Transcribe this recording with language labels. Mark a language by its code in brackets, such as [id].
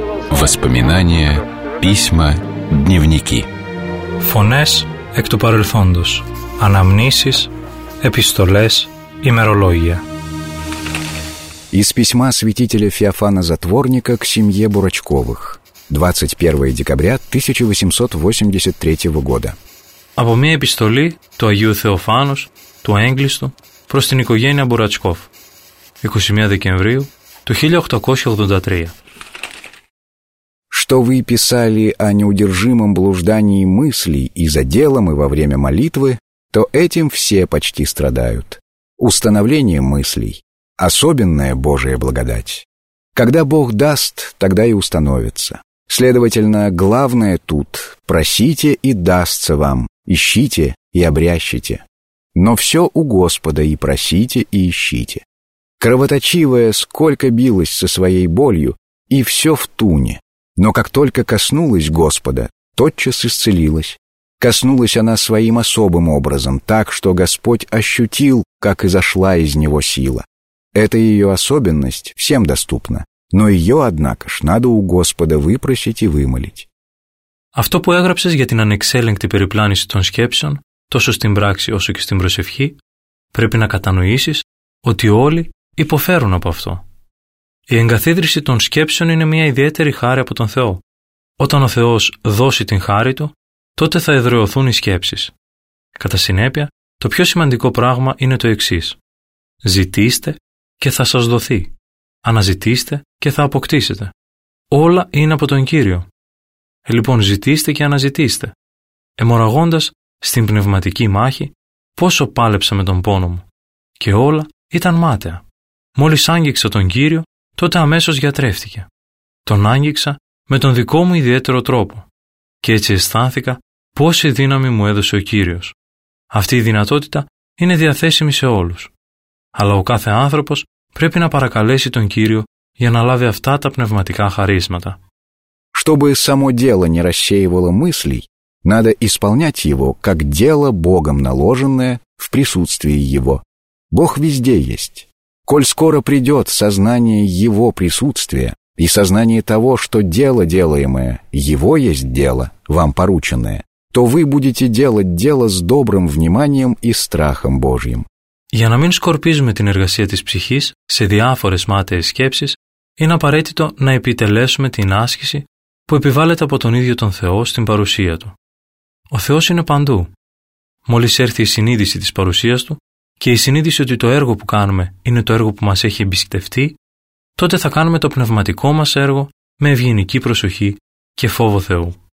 [ru] Воспоминания, письма, дневники. [el] Φωνές εκ του παρελθόντος. Αναμνήσεις, επιστολές, ημερολόγια. [ru] Из письма святителя Феофана Затворника к семье Бурачковых. 21 декабря 1883 года. [el] Από μια επιστολή του Αγίου Θεοφάνους, του Έγκλειστου, προς την οικογένεια Μπουρατσκόφ. 21 Δεκεμβρίου του 1883. [ru] Что вы писали о неудержимом блуждании мыслей и за делом, и во время молитвы, то этим все почти страдают. Установление мыслей – особенная Божия благодать. Когда Бог даст, тогда и установится. Следовательно, главное тут – просите и дастся вам, ищите и обрящите. Но все у Господа и просите, и ищите. Кровоточивая сколько билась со своей болью, и все в туне. Но как только коснулась Господа, тотчас исцелилась. Коснулась она своим особым образом, так, что Господь ощутил, как изошла из него сила. Это ее особенность всем доступна, но ее, однако ж, надо у Господа выпросить и вымолить. [el] Αυτό που έγραψες για την ανεξέλεγκτη περιπλάνηση των σκέψεων, τόσο στην πράξη όσο και στην προσευχή, πρέπει να κατανοήσεις ότι όλοι υποφέρουν από αυτό. Η εγκαθίδρυση των σκέψεων είναι μια ιδιαίτερη χάρη από τον Θεό. Όταν ο Θεός δώσει την χάρη Του, τότε θα εδραιωθούν οι σκέψεις. Κατά συνέπεια, το πιο σημαντικό πράγμα είναι το εξής. Ζητήστε και θα σας δοθεί. Αναζητήστε και θα αποκτήσετε. Όλα είναι από τον Κύριο. Λοιπόν, ζητήστε και αναζητήστε. Εμοραγώντας στην πνευματική μάχη, πόσο πάλεψα με τον πόνο μου. Και όλα ήταν μάταια. Μόλις άγγιξα τον Κύριο, τότε αμέσως γιατρεύτηκε. Τον άγγιξα με τον δικό μου ιδιαίτερο τρόπο. Και έτσι αισθάνθηκα πόση δύναμη μου έδωσε ο Κύριος. Αυτή η δυνατότητα είναι διαθέσιμη σε όλους. Αλλά ο κάθε άνθρωπος πρέπει να παρακαλέσει τον Κύριο για να λάβει αυτά τα πνευματικά χαρίσματα. [ru] Чтобы само дело не рассеивало мыслей, надо исполнять его как дело Богом наложенное в присутствии Его. Бог везде есть. Коль скоро придет сознание Его присутствия и сознание того, что дело делаемое, Его есть дело, вам порученное, то вы будете делать дело с добрым вниманием и страхом Божьим. [el] Για να μην σκορπίζουμε την εργασία της ψυχής σε διάφορες μάταιες σκέψεις, είναι απαραίτητο να επιτελέσουμε την άσκηση που επιβάλλεται από τον ίδιο τον Θεό στην παρουσία Του. Ο Θεός είναι παντού. Μόλις έρθει η συνείδηση της παρουσίας Του και η συνείδηση ότι το έργο που κάνουμε είναι το έργο που μας έχει εμπιστευτεί, τότε θα κάνουμε το πνευματικό μας έργο με ευγενική προσοχή και φόβο Θεού.